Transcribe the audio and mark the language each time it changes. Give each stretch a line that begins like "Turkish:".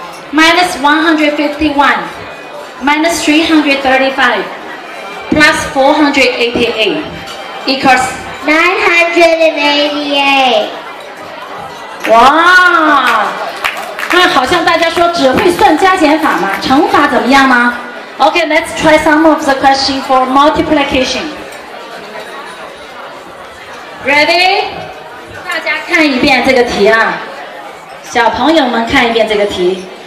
English: Minus 151. Minus 335. Plus 488. Equals 988. Wow.
Chinese: 那好像大家说只会算加减法吗？乘法怎么样吗？
English: Okay, let's try some of the questions for multiplication. Ready?
Chinese: 大家看一遍这个题啊，小朋友们看一遍这个题。